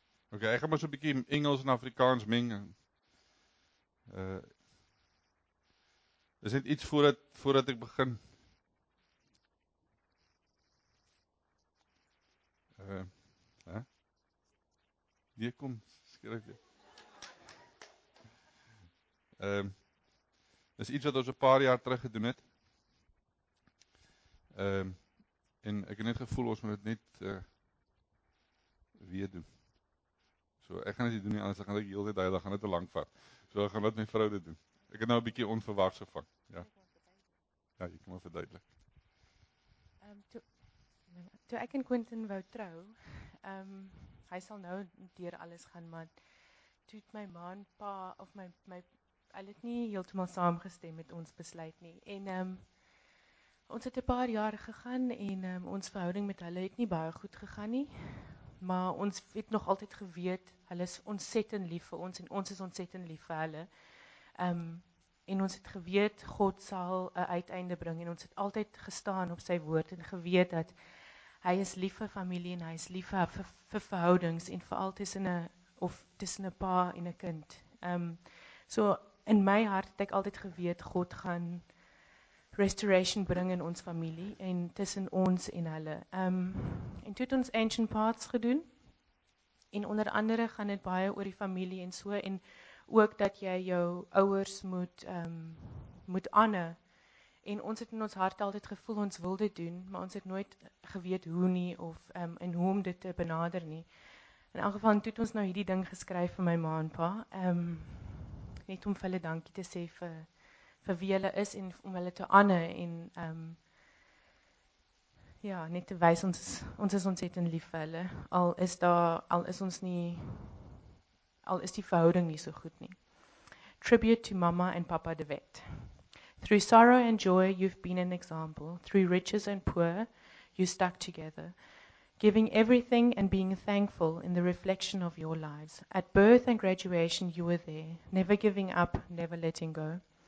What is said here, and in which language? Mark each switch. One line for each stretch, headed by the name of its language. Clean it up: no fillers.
Afrikaans: Oké, okay, ek gaan maar so 'n bietjie Engels en Afrikaans meng. Is dit iets voordat ek begin? Hier kom skryf jy. Is iets wat ons 'n paar jaar terug gedoen het. En ek het net gevoel ons moet dit net weer doen. So, ek gaan dit doen nie anders, ek gaan dit heel dit heilig, gaan dit te lang vat. So, ek gaan dit my vrou dit doen. Ek het nou 'n bietjie onverwags gevang. Ja. Ja, jy kan maar verduidelik. Toe ek en Quentin wou trou, hy sal nou deur alles gaan, maar toe my ma en pa, of my, hulle het nie heeltemal saamgestem met ons besluit nie. En, ons het 'n paar jaar gegaan, en ons verhouding met hulle het nie baie goed gegaan nie. Maar ons het nog altyd geweet, hulle is ontsettend lief vir ons en ons is ontsettend lief vir hulle. En ons het geweet, God sal 'n uiteinde bring en ons het altyd gestaan op sy woord en geweet dat hy is lief vir familie en hy is lief vir verhoudings en veral tussen 'n pa en 'n kind. So in my hart het ek altyd geweet, God gaan restoration bring in ons familie en tussen ons en hulle. En toe het ons Ancient Paths gedoen. En onder andere gaan dit baie oor die familie en so. En ook dat jy jou ouers moet aanne. En ons het in ons hart altyd gevoel ons wil dit doen. Maar ons het nooit geweet hoe nie of en hoe om dit te benader nie. In elk geval toe het ons nou hierdie ding geskryf vir my ma en pa. Net om vir hulle dankie te sê vir wie hulle is en om hulle te aanne en ja, net te wys ons is ontsettend lief vir hulle. Al is die verhouding nie so goed nie.
English: Tribute to Mama and Papa De Wet. Through sorrow and joy you've been an example. Through riches and poor you stuck together. Giving everything and being thankful in the reflection of your lives. At birth and graduation you were there. Never giving up, never letting go.